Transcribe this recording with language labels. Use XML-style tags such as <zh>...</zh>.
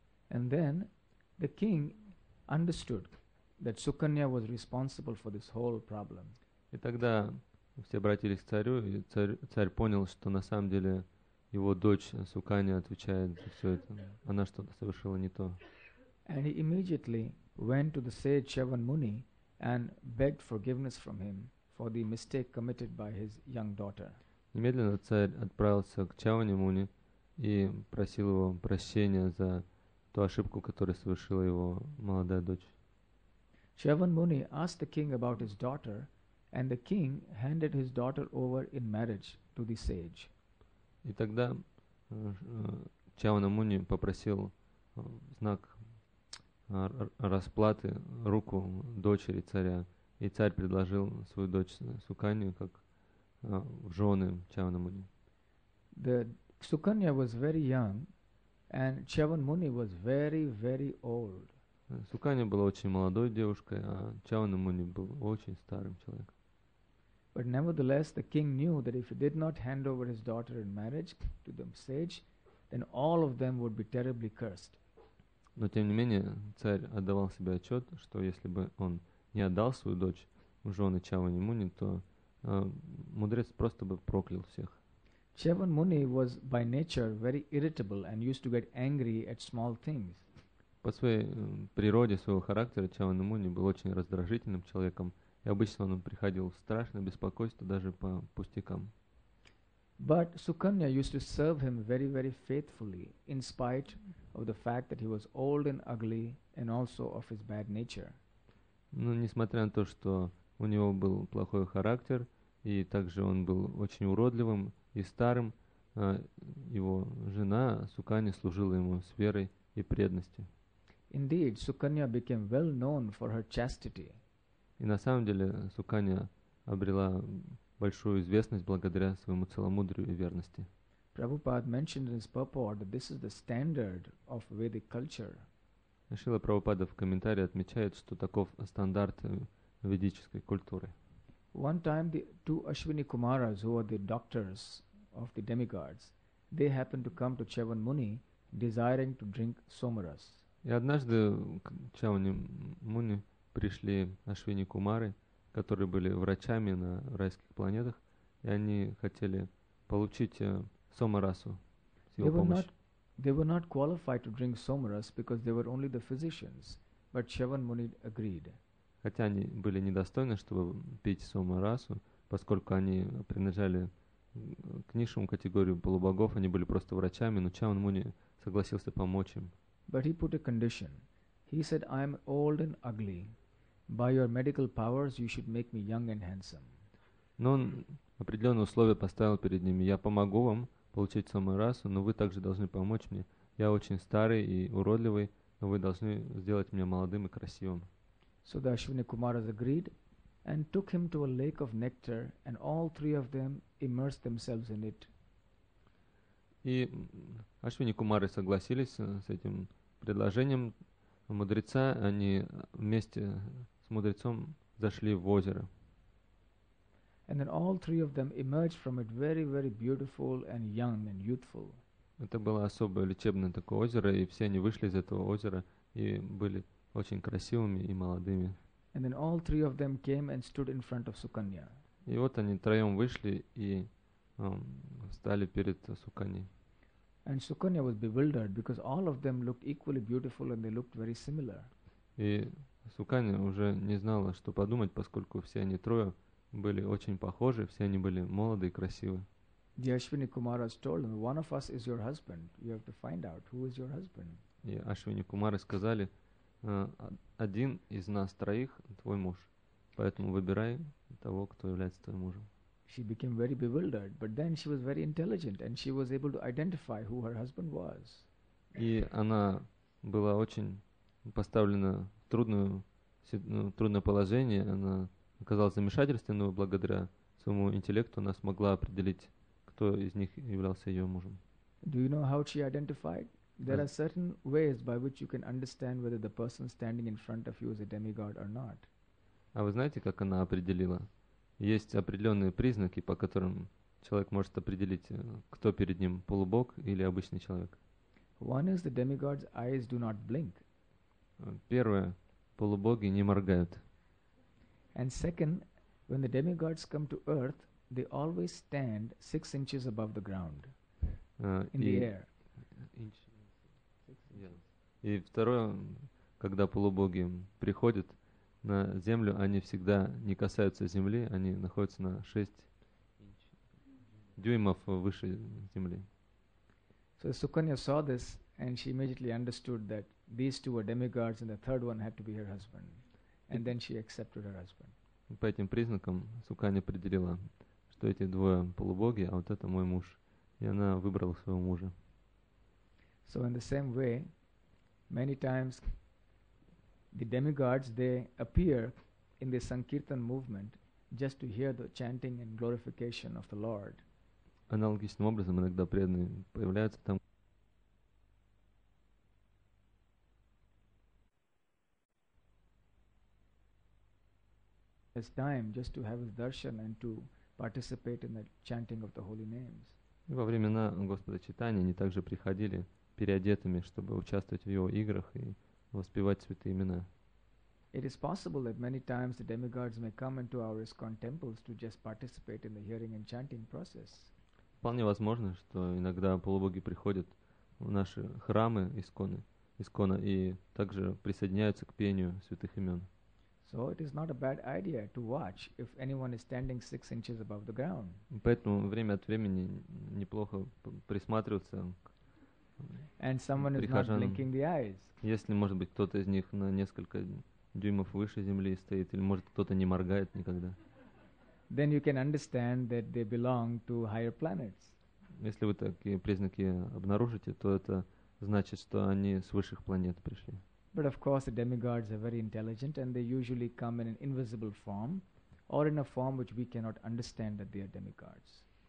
<en>And then the king understood that Sukanya was responsible for this whole problem.</en> <ru>И тогда все обратились к царю, и царь понял, что на самом деле его дочь Суканья отвечает за все это. Она что-то совершила не то.</ru> <en>And he immediately went to the sage Chavan Muni and begged forgiveness from him for the mistake committed by his young daughter.</en> <ru>Немедленно царь отправился к Чаване Муни и просил его прощения за ту ошибку, которую совершила его молодая дочь.</ru> <en>Chavan Muni asked the king about his daughter, and the king handed his daughter over in marriage to the sage.</en> <ru>И тогда Чавана Муни попросил знак расплаты, руку дочери царя, и царь предложил свою дочь Суканью как жены Чавана Муни.</ru> <en>The Sukanya was very young, and Chavan Muni was very, very old.</en> <ru>Суканья была очень молодой девушкой, а Чавана Муни был очень старым человеком.</ru> <en>But nevertheless, the king knew that if he did not hand over his daughter in marriage to the sage, then all of them would be terribly cursed.</en> <ru>Но тем не менее царь отдавал себе отчет, что если бы он не отдал свою дочь в жены Чавани Муни, то мудрец просто бы проклял всех.</ru> <en>Chavan Muni was by nature very irritable and used to get angry at small things.</en> <ru>По своей природе, своего характера, Чавани Муни был очень раздражительным человеком, и обычно он приходил в страшное беспокойство даже по пустякам.</ru> <en>But Sukanya used to serve him very, very faithfully, in spite of the fact that he was old and ugly, and also of his bad nature.</en> <ru>Но несмотря на то, что у него был плохой характер, и также он был очень уродливым и старым, его жена Sukanya служила ему с верой и преданностью.</ru> <en>Indeed, Sukanya became well known for her chastity.</en> <ru>И на самом деле Суканья обрела большую известность благодаря своему целомудрию и верности.</ru> <en>Prabhupada mentioned in his purport that this is the standard of Vedic culture.</en> <ru>Шрила Прабхупада в комментарии отмечает, что таков стандарт ведической культуры.</ru> <en>One time the two Ashwini Kumaras, who were the doctors of the demigods, they happened to come to Chavan Muni desiring to drink somaras.</en> <ru>И однажды к Чавани Муни пришли Ашвини Кумары, которые были врачами на райских планетах, и они хотели получить сомарасу с его помощью.</ru> <en>They were not qualified to drink somaras because they were only the physicians, but Chavan Muni agreed.</en> <ru>Хотя они были недостойны, чтобы пить сомарасу, поскольку они принадлежали к низшему категорию полубогов, они были просто врачами, но Чаван Муни согласился помочь им.</ru> <en>But he put a condition. He said, "I am old and ugly. By your medical powers, you should make me young and handsome."</en> <ru>Но он определенные условия поставил перед ними. Я помогу вам получить сомарасу, но вы также должны помочь мне. Я очень старый и уродливый, но вы должны сделать меня молодым и красивым.</ru> <en>So the Ashwini Kumaras agreed and took him to a lake of nectar, and all three of them immersed themselves in it.</en> <ru>И Ашвини Кумары согласились с этим предложением мудреца, они вместе с мудрецом зашли в озеро.</ru> <en>And then all three of them emerged from it very, very beautiful and young and youthful.</en> <ru>Это было особое лечебное такое озеро, и все они вышли из этого озера и были очень красивыми и молодыми.</ru> <en>And then all three of them came and stood in front of Sukanya.</en> <ru>И вот они втроем вышли и встали перед Суканьей.</ru> <en>And Sukanya was bewildered because all of them looked equally beautiful and they looked very similar.</en> <ru>И Сукани уже не знала, что подумать, поскольку все они трое были очень похожи, все они были молоды и красивы.</ru> <en>The Ashwini Kumaras told them, one of us is your husband. You have to find out who is your husband.</en> <ru>И Ашвини Кумары сказали, один из нас троих твой муж, поэтому выбирай того, кто является твоим мужем.</ru> <en>She became very bewildered, but then she was very intelligent and she was able to identify who her husband was.</en> <ru>И она была очень поставлена в трудное положение, она оказалась в замешательстве, но благодаря своему интеллекту она смогла определить, кто из них являлся ее мужем.</ru> <en>Do you know how she identified? There are certain ways by which you can understand whether the person standing in front of you is a demigod or not.</en> <ru>А вы знаете, как она определила? Есть определенные признаки, по которым человек может определить, кто перед ним, полубог или обычный человек.</ru> <en>One is the demigod's eyes do not blink.</en> <ru>Первое, полубоги не моргают.</ru> <en>And second, when the demigods come to earth, they always stand 6 inches above the ground, in the air.</en> <ru>И второе, когда полубоги приходят на землю, они всегда не касаются земли, они находятся на 6 дюймов выше земли.</ru> <en>So Sukanya saw this and she immediately understood that these two were demigods and the third one had to be her husband. And then she accepted her husband.</en> <ru>По этим признакам Суканья определила, что эти двое полубоги, а вот это мой муж. И она выбрала своего мужа.</ru> <en>So in the same way, many times the demigods, they appear in the Sankirtan movement just to hear the chanting and glorification of the Lord.</en> <ru>Аналогичным образом иногда преданные появляются там,</ru> <en>as time just to have his darshan and to participate in the chanting of the holy names.</en> <ru>И во времена Господа Чайтаньи они также приходили переодетыми, чтобы участвовать в его играх и воспевать святые имена.</ru> <en>It is possible that many times the demigods may come into our ISKCON temples to just participate in the hearing and chanting process.</en> <ru>Вполне возможно, что иногда полубоги приходят в наши храмы ИСКОНа и также присоединяются к пению святых имен.</ru> <en>So it is not a bad idea to watch if anyone is standing 6 inches above the ground.</en> <ru>Поэтому время от времени неплохо присматриваться.</ru> <en>And someone is not blinking the eyes.</en> <ru>Если, может быть, кто-то из них на несколько дюймов выше земли стоит, или, может, кто-то не моргает никогда.</ru> <en>Then you can understand that they belong to higher planets.</en> <ru>Если вы такие признаки обнаружите, то это значит, что они с высших планет пришли.</ru> <en>But of course, the demigods are very intelligent, and they usually come in an invisible form, or in a form which we cannot understand that they are demigods.</en>